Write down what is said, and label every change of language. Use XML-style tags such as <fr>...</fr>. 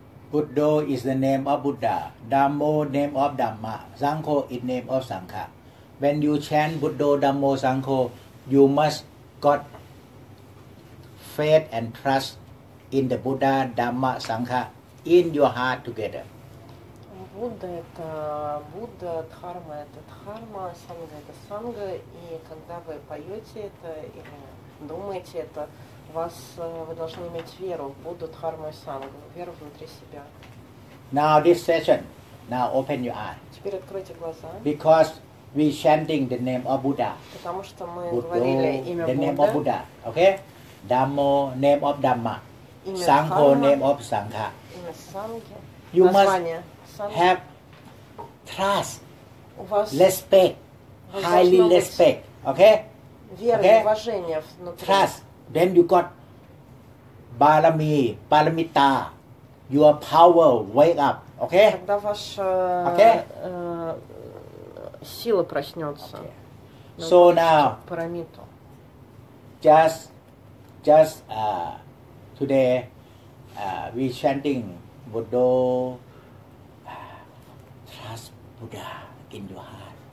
<en>Buddha is the name of Buddha. Dhammo, name of Dhamma. Sangho is name of Sangha. When you chant Buddha, Dhammo, Sangho, you must got faith and trust in the Buddha, Dhamma, Sangha in your heart together.</en> <ru>Buddha – это Будда, Дхарма – это Дхарма, Сангха – это Сангха. И когда вы поете это или думаете это, вы должны иметь веру в Будду, Дхарму и Сангху, веру внутри себя.</ru> <en>Now this session, now open your eyes.</en> <ru>Теперь откройте глаза.</ru> <en>Because we chanting the name of Buddha.</en> <ru>Потому что мы говорили имя Будды.</ru> <en>The name of Buddha, okay? Dhammo, name of Dhamma. Sangho, name of Sangha.</en> <ru>Имя Сангхи.</ru> <en>You must have trust, respect, highly respect, okay?</en> <ru>Вера, okay? Уважение внутри.</ru> <en>Trust. Then you got balami, paramita, your power wake up, okay?</en> <ru>Когда ваша сила проснется.</ru> <en>Okay. So now,</en> <ru>парамиту.</ru> <en>Just today, we chanting Buddha, trust Buddha in your heart.</en>